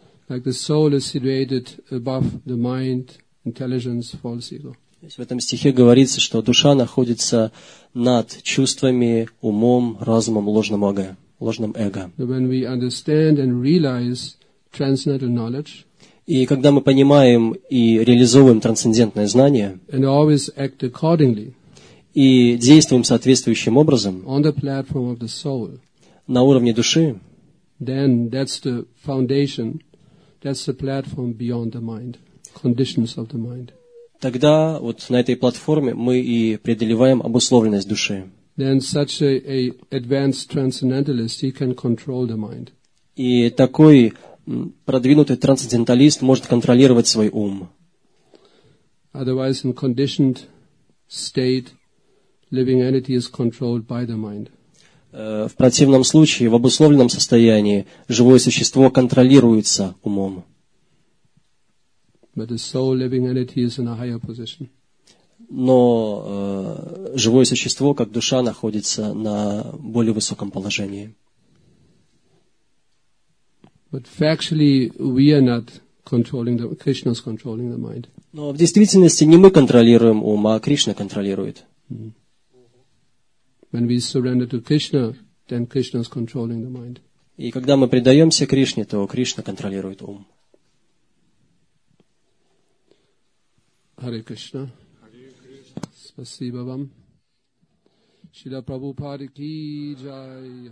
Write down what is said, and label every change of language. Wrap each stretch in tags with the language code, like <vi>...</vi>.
<en>Like the soul is situated above the mind, intelligence, false ego.</en> <ru>В этом стихе говорится, что душа находится над чувствами, умом, разумом, ложным эго.</ru> <en>When we understand and realize transcendental knowledge,</en> <ru>и когда мы понимаем и реализовываем трансцендентное знание,</ru> <en>and always act accordingly,</en> <ru>и действуем соответствующим образом,</ru> <en>on the platform of the soul,</en> <ru>на уровне души,</ru> <en>then that's the foundation, that's the platform beyond the mind, conditions of the mind.</en> <ru>Тогда вот на этой платформе мы и преодолеваем обусловленность души.</ru> <en>Then such a advanced transcendentalist he can control the mind.</en> <ru>И такой продвинутый трансценденталист может контролировать свой ум.</ru> <en>Otherwise, in conditioned state, living entity is controlled by the mind.</en> <ru>В противном случае, в обусловленном состоянии, живое существо контролируется умом.</ru> <en>But the soul, living entity, is in a higher position.</en> <ru>Но живое существо, как душа, находится на более высоком положении.</ru> <en>But factually, we are not controlling the, Krishna's controlling the mind.</en> <ru>Но в действительности не мы контролируем ум, а Кришна контролирует.</ru> <en>When we surrender to Krishna, then Krishna's controlling the mind.</en> <ru>И когда мы предаемся Кришне, то Кришна контролирует ум. Hare Krishna. Спасибо вам. Шрила Прабхупада ки джай.</ru>